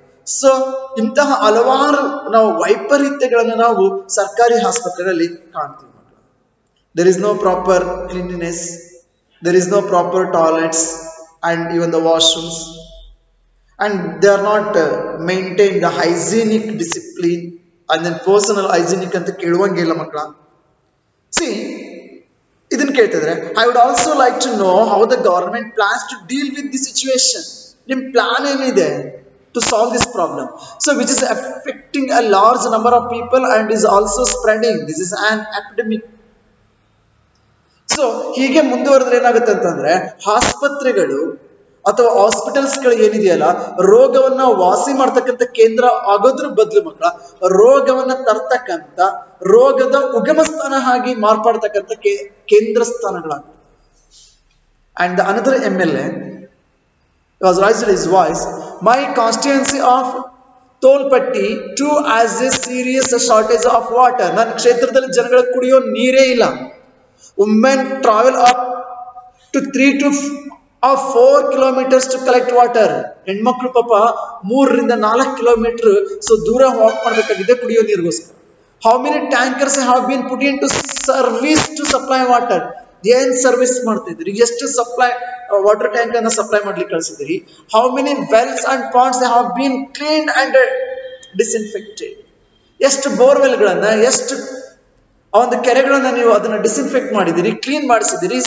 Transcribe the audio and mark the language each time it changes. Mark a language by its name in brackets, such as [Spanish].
[Kannada] So ಇಂತಹ ಹಲವಾರು ನಾವು ವೈಪರೀತ್ಯಗಳನ್ನು ನಾವು ಸರ್ಕಾರಿ ಆಸ್ಪತ್ರೆಗಳಲ್ಲಿ ಕಾಣ್ತೀವಿ. [English] there is no proper cleanliness, there is no proper toilets and even the washrooms, and they are not maintained the hygienic discipline and then personal hygienic [Kannada] ಅಂತ ಕೇಳುವಂಗಿಲ್ಲ ಮಕ್ಕಳ. [English] See, [Kannada] ಇದನ್ನ ಕೇಳ್ತಿದ್ರೆ [English] I would also like to know how the government plans to deal with this situation. [Kannada] ನಿಮ್ಮ plan ಏನಿದೆ [English] To solve this problem, so which is affecting a large number of people and is also spreading, this is an epidemic. [Kannada] So ಹೀಗೆ ಮುಂದುವರೆದ್ರೆ ಏನಾಗುತ್ತೆ ಅಂತಂದ್ರೆ ಆಸ್ಪತ್ರೆಗಳು ಅಥವಾ ಹಾಸ್ಪಿಟಲ್ಸ್ಗಳು ಏನಿದೆಯಲ್ಲ ರೋಗವನ್ನ ವಾಸಿ ಮಾಡ್ತಕ್ಕಂಥ ಕೇಂದ್ರ ಆಗೋದ್ರ ಬದಲು ಮಕ್ಕಳ ರೋಗವನ್ನ ತರ್ತಕ್ಕಂಥ ರೋಗದ ಉಗಮ ಸ್ಥಾನ ಆಗಿ ಮಾರ್ಪಾಡ್ತಕ್ಕಂಥ ಕೇಂದ್ರ ಸ್ಥಾನಗಳಾಗ್ತವೆ. [English] and the another MLA was raised is voice, my constituency of ತೋಲ್ಪಟ್ಟಿ to as a serious shortage of water, [Kannada] ನನ್ನ ಕ್ಷೇತ್ರದಲ್ಲಿ ಜನಗಳ ಕುಡಿಯೋ ನೀರೇ ಇಲ್ಲ. [English] Women travel up to 3 to 4 kilometers to collect water. [Kannada] ಹೆಣ್ಮಕ್ಳು ಪಾಪ 3-4 kilometers ಸೊ ದೂರ ವಾಕ್ ಮಾಡ್ಬೇಕಾಗಿದೆ ಕುಡಿಯೋ ನೀರಿಗೋಸ್ಕರ. [English] how many tankers have been put in to service to supply water, [Kannada] ಏನ್ ಸರ್ವಿಸ್ ಮಾಡ್ತಿದ್ರಿ, ಎಷ್ಟು ಸಪ್ಲೈ ವಾಟರ್ ಟ್ಯಾಂಕ್ ಅನ್ನ ಸಪ್ಲೈ ಮಾಡ್ಲಿಕ್ಕೆ ಕಳಿಸಿದ್ರಿ, [English] how many wells and ponds have been clean and disinfected, [Kannada] ಎಷ್ಟು ಬೋರ್ವೆಲ್ ಗಳನ್ನ ಎಷ್ಟು ಆ ಒಂದು ಕೆರೆಗಳನ್ನ ನೀವು ಅದನ್ನ ಡಿಸ್ಇನ್ಫೆಕ್ಟ್ ಮಾಡಿದಿರಿ, ಕ್ಲೀನ್ ಮಾಡಿಸಿದಿರಿ.